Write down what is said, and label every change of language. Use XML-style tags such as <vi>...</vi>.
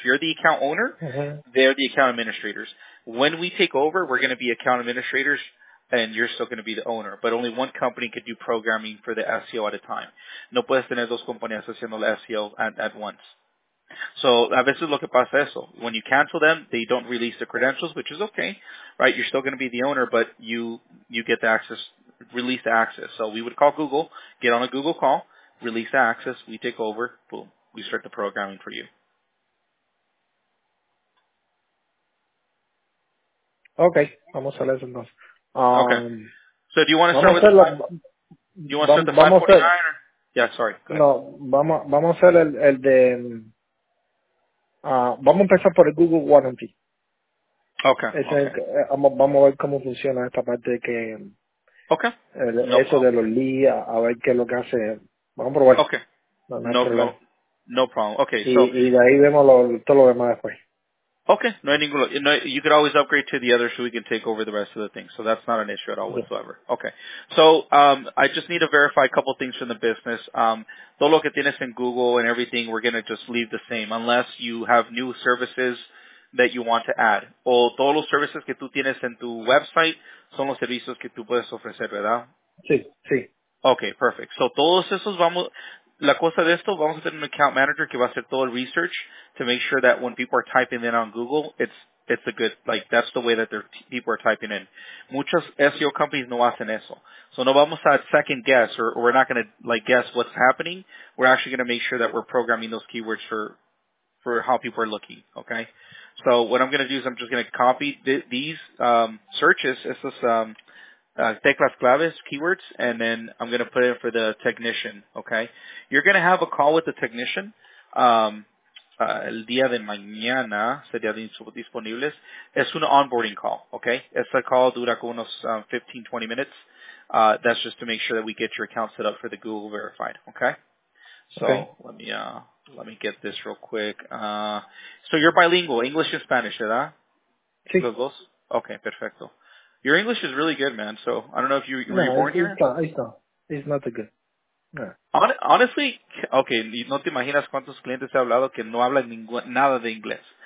<en>You're the account owner, they're the account administrators. When we take over, we're going to be account administrators, and you're still going to be the owner. But only one company could do programming for the SEO at a time.</en> <es>No puedes tener dos compañías haciendo el SEO</es> <en>at once.</en> <es>So, a veces lo que pasa es eso.</es> <en>When you cancel them, they don't release the credentials, which is okay, right? You're still going to be the owner, but you get the access, release the access. So, we would call Google, get on a Google call, release the access, we take over, boom, we start the programming for you.</en> <es>Okay, vamos a leer entonces.</es> <en>Okay. So, do you want to start with do you want to start the 549? Yeah, sorry.</en> <es>No, vamos a hacer el de... vamos a empezar por el Google Warranty.</es> <en>Okay.</en> <es>Vamos a ver cómo funciona esta parte de que.</es> <en>Okay.</en> <es>De los leads, a ver qué es lo que hace. Vamos a probar.</es> <en>Okay. No problem. Okay.</en> <es>Y de ahí vemos todo lo demás después. Okay, no hay ninguno.</es> <en>No, you could always upgrade to the other so we can take over the rest of the thing. So that's not an issue at all whatsoever. Okay. So I just need to verify a couple things from the business.</en> <es>Todo lo que tienes en Google</es> <en>and everything, we're going to just leave the same unless you have new services that you want to add.</en> <es>O todos los servicios que tú tienes en tu website son los servicios que tú puedes ofrecer, ¿verdad? Sí, sí.</es> <en>Okay, perfect. So</en> <es>todos esos vamos... La cosa de esto, vamos a tener un account manager que va a hacer todo el</es> <en>research to make sure that when people are typing in on Google, it's a good, like, that's the way that their people are typing in.</en> <es>Muchas</es> <en>SEO companies</en> <es>no hacen eso.</es> <en>So</en> <es>no vamos a</es> <en>second guess, or we're not going to, like, guess what's happening. We're actually going to make sure that we're programming those keywords for how people are looking, okay? So what I'm going to do is I'm just going to copy these searches,</en> <es>teclas claves,</es> <en>keywords, and then I'm going to put it for the technician, okay? You're going to have a call with the technician</en> <es>el día de mañana, sería disponibles. Es un onboarding call, okay? Esta call dura como unos 15, 20 minutes.</es> <en>That's just to make sure that we get your account set up for the Google Verified, okay? So okay. Let me get this real quick. So you're bilingual, English and Spanish,</en> <es>¿verdad? Sí. Los dos?</es> <en>Okay,</en> <es>perfecto.</es> <en>Your English is really good, man. So I don't know if you were born here. It's not good. No. Honestly,</en> <es>okay, no te imaginas cuántos clientes he hablado que no hablan nada de inglés.</es>